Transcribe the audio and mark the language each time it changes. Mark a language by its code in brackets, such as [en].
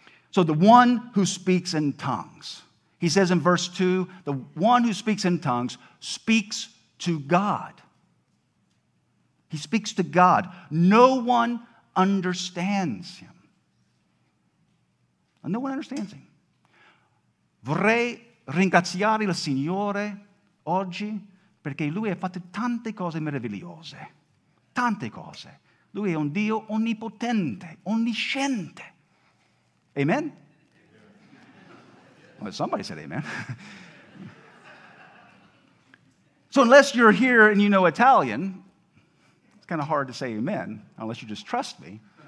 [en] So the one who speaks in tongues, he says in verse 2, the one who speaks in tongues speaks to God. He speaks to God. No one understands him. And no one understands him. [it] Vorrei ringraziare il Signore oggi perché lui ha fatto tante cose meravigliose. Tante cose. Lui è un Dio onnipotente, onnisciente. [en] Amen? Well, somebody said amen. So unless you're here and you know Italian, it's kind of hard to say amen, unless you just trust me.